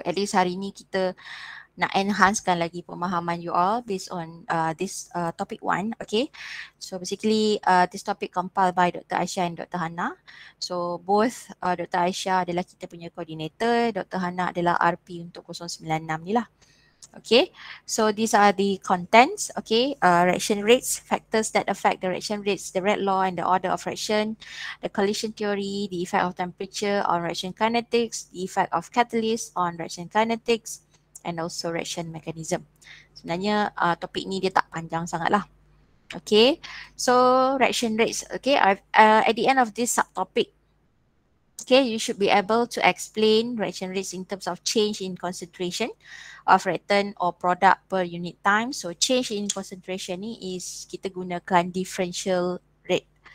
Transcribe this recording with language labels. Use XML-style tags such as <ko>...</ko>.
<en>At least</en> <ms>hari ni kita nak enhancekan lagi pemahaman</ms> <en>you all based on this topic 1.</en> <ms>Okey.</ms> <en>So basically this topic compiled by Dr. Aisyah and Dr. Hana. So both Dr.</en> <ms>Aisyah adalah kita punya coordinator, Dr. Hana adalah RP untuk 096 ni lah.</ms> <en>Okay, so these are the contents. Okay, reaction rates, factors that affect the reaction rates, the red law and the order of reaction, the collision theory, the effect of temperature on reaction kinetics, the effect of catalyst on reaction kinetics, and also reaction mechanism.</en> <ms>Sebenarnya topik ni dia tak panjang sangat lah.</ms> <en>Okay, so reaction rates. Okay, at the end of this subtopic, okay, you should be able to explain reaction rates in terms of change in concentration of reactant or product per unit time. So change in concentration</en> <ms>ni is kita gunakan</ms> <en>differential rate.</en>